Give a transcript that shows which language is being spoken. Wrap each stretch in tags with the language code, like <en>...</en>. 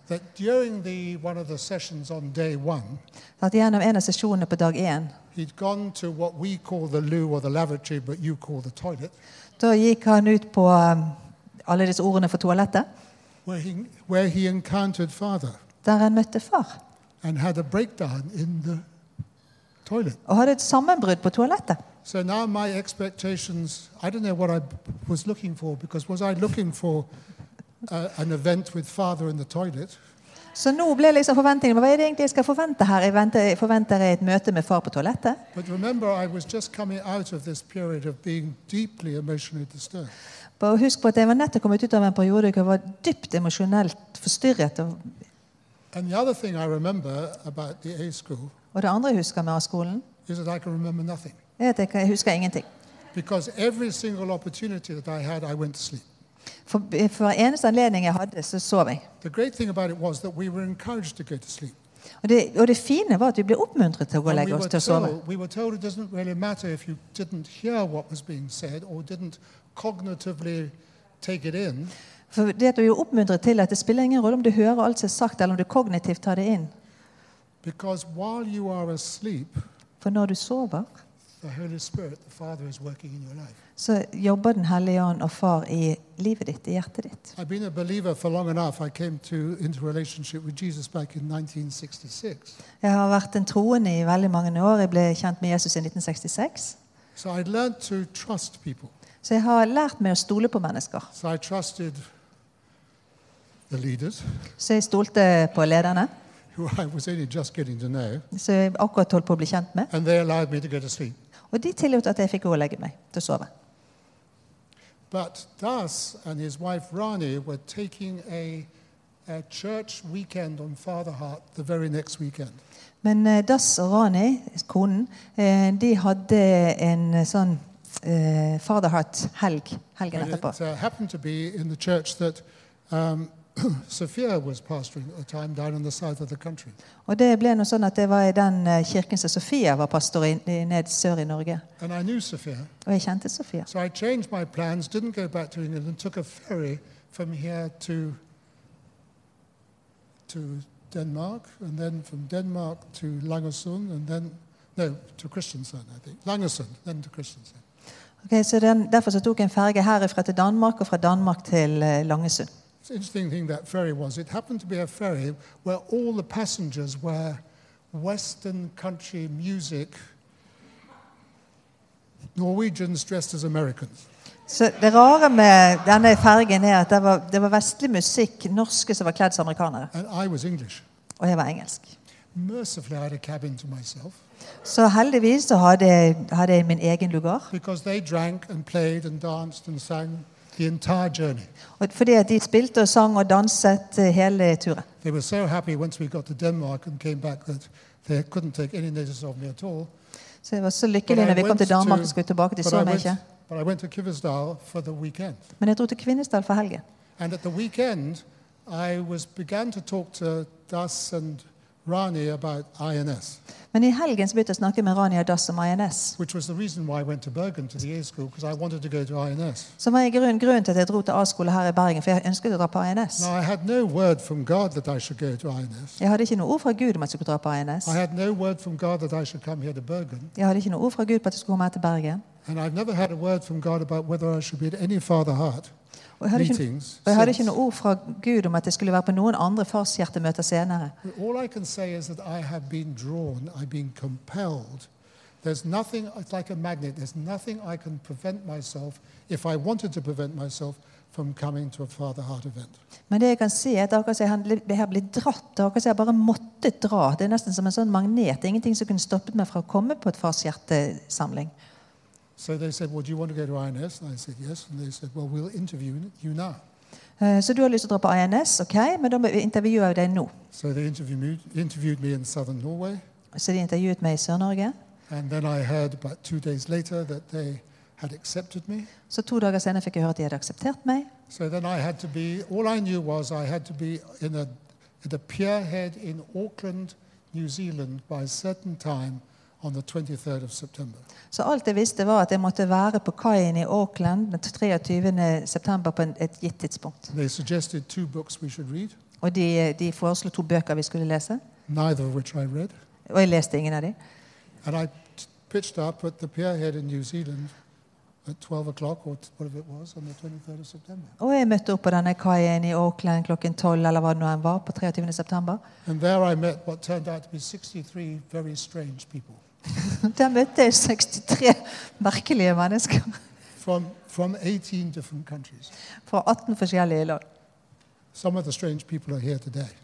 <en>That during the one of the sessions on day one.</en> <no>At gjennom en av sesjonene på dag én.</no> <en>He'd gone to what we call the loo or the lavatory, but you call the toilet.</en> <no>Da gikk han ut på alle disse ordene for toalettet.</no> <en>Where he encountered Father.</en> <no>Der han møtte far.</no> <en>And had a breakdown in the</en> <no>Og hadde et sammenbrudd på toalettet.</no> <en>So now my expectations, I don't know what I was looking for, because was I looking for an event with Father in the toilet?</en> <no>Så nå ble liksom forventningen, men hva det egentlig jeg skal forvente her? Jeg forventer et møte med far på toalettet.</no> <en>But remember, I was just coming out of this period of being deeply emotionally disturbed.</en> <no>Bare husk på at jeg var nettopp kommet ut av en periode hvor jeg var dypt emosjonelt forstyrret.</no> <en>And the other thing I remember about the A school</en> <no>Og det andre jeg husker med A-skolen</no> <en>at I can remember nothing.</en> <no>Jeg husker ingenting.</no> <en>Because every single opportunity that I had, I went to sleep.</en> <no>For eneste anledning jeg hadde, så sov jeg.</no> <en>The great thing about it was that we were encouraged to go to sleep.</en> <no>Og det fine var at vi ble oppmuntret til å gå og legge oss til å sove.</no> <en>We were told it doesn't really matter if you didn't hear what was being said or didn't cognitively take it in.</en> <no>For det at vi oppmuntret til at det spiller ingen rolle om du hører alt som sagt eller om du kognitivt tar det inn.</no> <en>Because while you are asleep,</en> <no>for når du sover,</no> <en>the Holy Spirit, the Father, is working in your life.</en> <no>Så jobber den hellige ånd og far I livet ditt, I hjertet ditt.</no> <en>I've been a believer for long enough. I came into relationship with Jesus back in 1966.</en> <no>Jeg har vært en troende I veldig mange år. Jeg ble kjent med Jesus I 1966.</no> <en>So I learned to trust people.</en> <no>Så jeg har lært meg å stole på mennesker.</no> <en>So I trusted the leaders.</en> <no>Så jeg stolte på lederne.</no> <en>Who I was only just getting to know.</en> <no>Så jeg akkurat holdt på å bli kjent med.</no> <en>And they allowed me to go to sleep.</en> <no>Og de tillot at jeg fikk gå og legge meg til å sove.</no> <en>But Das and his wife Rani were taking a church weekend on Father Heart the very next weekend.</en> <no>Men Das og Rani, konen, de hadde en sånn Father Heart helgen etterpå.</no> <en>And it happened to be in the church that Sophia was pastoring a time down in the south of the country.</en> <no>Og det ble noe sånn at det var I den kirken som Sophia var pastor I ned sør I Norge.</no> <en>And I knew Sophia.</en> <no>Og jeg kjente Sophia.</no> <en>So I changed my plans, didn't go back to England, and took a ferry from here to Denmark, and then from Denmark to Langesund, and then no, to Kristiansand, I think. Langesund, then to Kristiansand.</en> <no>Okay, så derfor så tok jeg en ferge herifra til Danmark og fra Danmark til Langesund.</no> <en>Interesting thing that ferry was. It happened to be a ferry where all the passengers were Western country music Norwegians dressed as Americans.</en> <no>Så det rare med denne fargen at det var vestlig musikk, norske som var kledd som amerikanere.</no> <en>And I was English.</en> <no>Og jeg var engelsk.</no> <en>Mercifully, I had a cabin to myself.</en> <no>Så heldigvis så hadde jeg min egen lugar.</no> <en>Because they drank and played and danced and sang the entire journey.</en> <no>Og fordi at de spilte og sang og danset hele turen.</no> <en>They were so happy once we got to Denmark and came back that they couldn't take any notice of me at all.</en> <no>Så jeg var så lykkelig når vi kom til Danmark og skulle tilbake, de så meg ikke.</no> <en>But I went to Kvinesdal for the weekend.</en> <no>Men jeg dro til Kvinesdal for helgen.</no> <en>And at the weekend, I began to talk to Das and Rani about INS.</en> <no>Men I helgen så begynte jeg å snakke med Rani og Das om INS.</no> <en>Which was the reason why I went to Bergen to the A school because I wanted to go to INS.</en> <no>Så var jeg grunnen til at jeg dro til A skole her I Bergen for jeg ønsket å dra på INS.</no> <en>Now I had no word from God that I should go to INS.</en> <no>Jeg hadde ikke noe ord fra Gud om at jeg skulle dra på INS.</no> <en>I had no word from God that I should come here to Bergen.</en> <no>Jeg hadde ikke noe ord fra Gud på at jeg skulle komme her til Bergen.</no> <en>And I've never had a word from God about whether I should be at any Father Heart meetings.</en> <no>Jeg hadde ikke noe ord fra Gud om at jeg skulle være på noen andre Fars hjertemøter senere.</no> <en>But all I can say is that I have been drawn, I've been compelled. There's nothing, it's like a magnet, there's nothing I can prevent myself, if I wanted to prevent myself, from coming to a Father Heart event.</en> <no>Men det jeg kan si at akkurat han her blir dratt, akkurat jeg bare måtte dra. Det nesten som en sånn magnet. Ingenting som kunne stoppet meg fra å komme på et Fars hjertesamling.</no> <en>So they said, well, do you want to go to INS? And I said, yes. And they said, well, we'll interview you now.</en> <no>So du har lyst til å dra på INS, okay, men da må vi intervjue deg nå.</no> <en>So they interviewed me in southern Norway.</en> <no>Så de intervjuet meg I Sør-Norge.</no> <en>And then I heard about 2 days later that they had accepted me.</en> <no>Så 2 dager senere fikk jeg høre at de hadde akseptert meg.</no> <en>So then I had to be, all I knew was I had to be in a pierhead in Auckland, New Zealand by a certain time. On the 23rd of September.</en> <no>Så alt jeg visste var at jeg måtte være på kajen I Auckland den 23. september på et gitt tidspunkt.</no> <en>They suggested 2 books we should read.</en> <no>Og de foreslo 2 bøker vi skulle lese.</no> <en>Neither of which I read.</en> <no>Og jeg leste ingen av de.</no> <en>And I pitched up at the pierhead in New Zealand at 12 o'clock or whatever it was on the 23rd of September.</en> <no>Og jeg møtte opp på denne kajen I Auckland klokken 12 eller hva det nå enn var på 23. september.</no> <en>And there I met what turned out to be 63 very strange people.</en> <no>Der møtte jeg 63 merkelige mennesker.</no> <en>From 18 different countries.</en> <no>Fra 18 forskjellige land.</no> <en>Some of the strange people are here today.</en>